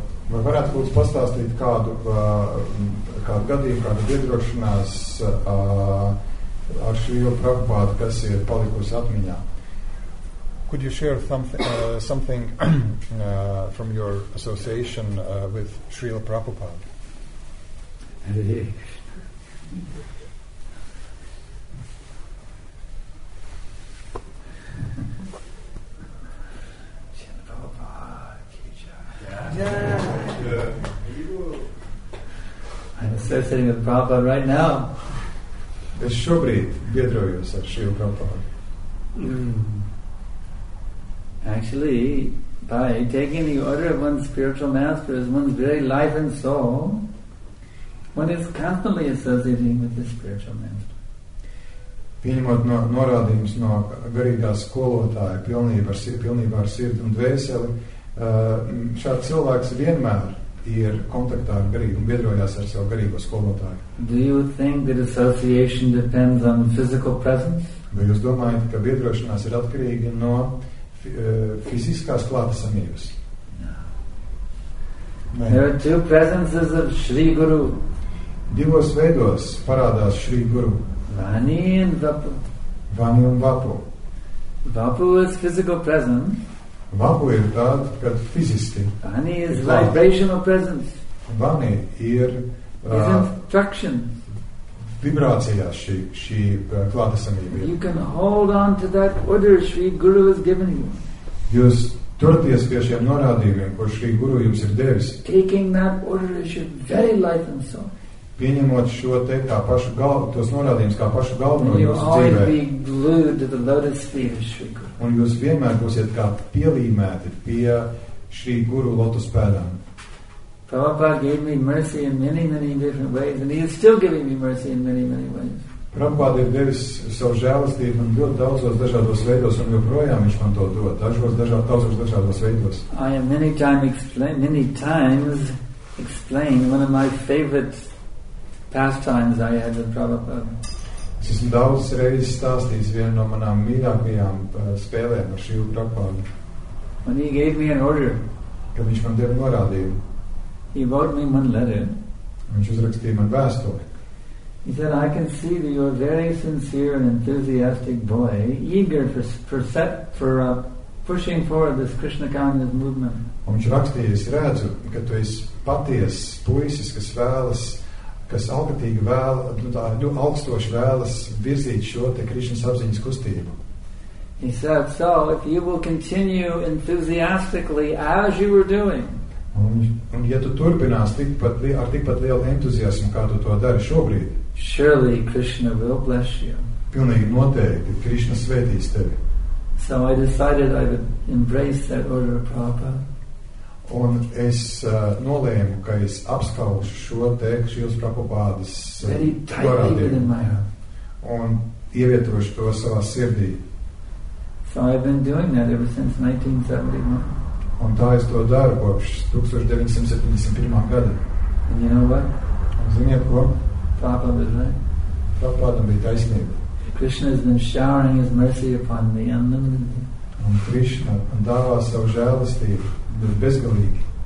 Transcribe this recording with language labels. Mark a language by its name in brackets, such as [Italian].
[Latvian] Vai varētu būt pastāstīt kādu gadījumu, kādu iedrošinās ar Šrīla Prabhupāda, kas ir palikusi atmiņā. [English] Could you share something from your association with Srila Prabhupada? I'm associating with Prabhupada right now. [Latvian] Es šobrīd biedrojos ar Srila Prabhupada. [English] Actually, by taking the order of one's spiritual master as one's very life and soul, one is constantly associating with the spiritual master. [Latvian] Pieņemot norādījumus no garīgās skolotāja pilnībā ar sirdi un dvēseli, šāds cilvēks vienmēr ir kontaktā ar garīgu un biedrojās ar savu garīgo skolotāju. [English] Do you think that association depends on physical presence? [Latvian] Vai jūs domājat, ka biedrošanās ir atkarīga no fiziskās klātesamības? [English] No. There are two presences of Shri Guru. [Latvian] Divos veidos parādās Shri Guru. Vani un Vapu. Vani un Vapu. [English] Vapu is physical presence. [Latvian] Vapu ir tād, kad fiziski. [English] Vani is vibrational presence. [Latvian] Vani ir [English] instruction. [Latvian] Vibrācijās šī klātesamība. [English] You can hold on to that order Shri Guru has given you. [Latvian] Jūs turties pie šiem norādījumiem, ko Shri Guru jums ir devis. [English] Taking that order is your very life and soul. [Latvian] Pieņemot šo te kā pašu galvu, tos norādījumus kā pašu galvu no jūsu dzīvē. Un jūs vienmēr būsiet kā pielīmēti pie Shri Guru lotus pēdām. [English] Prabhupāda gave me mercy in many, many different ways, and he is still giving me mercy in many, many ways. [Latvian] Prabhupāda ir devis savu žēlistību un ļoti daudzos dažādos veidos, un joprojām viņš man to dod, daudzos dažādos veidos. [English] I have many times explained one of my favorite pastimes I had with Prabhupāda. [Latvian] Es esmu daudzas reizes stāstījis vienu no manām mīļākajām spēlēm ar Shri Prabhupādu. [English] When he gave me an order, [Latvian] kad viņš man deva norādījumu, [English] he wrote me one letter. [Latvian] Viņš uzrakstīja man vēstuli. [English] He said, I can see that you are a very sincere and enthusiastic boy, eager for pushing forward this Krishna consciousness movement. [Latvian] Un viņš rakstīja, es redzu, ka tu esi patiesi puisis, kas augstoši vēlas virzīt šo te Krišnas apziņas kustību. [English] He said, so if you will continue enthusiastically as you were doing, [Latvian] Un ja tu turpinās ar tikpat lielu entuziasmu, kā tu to dari šobrīd, [English] surely Krishna will bless you. [Latvian] Pilnīgi noteikti, Krishna svētīs tevi. [English] So I decided I would embrace that order of Prabhupada. [Latvian] Un es nolēmu, ka es apskaušu šo teikšu Jūsu Prabhupādas norādību. Un ievietošu to savā sirdī. [English] So I've been doing that ever since 1971. [Latvian] Un tā es to daru kopš 1971. gada. [English] You know what? [Latvian] Un ziniet ko? [English] Prabhupada is right. [Latvian] Prabhupada bija taisnība. [English] Krishna has been showering his mercy upon me unlimitedly. [Latvian] Un Krishna dāvā savu žēlistību bezgalīgi.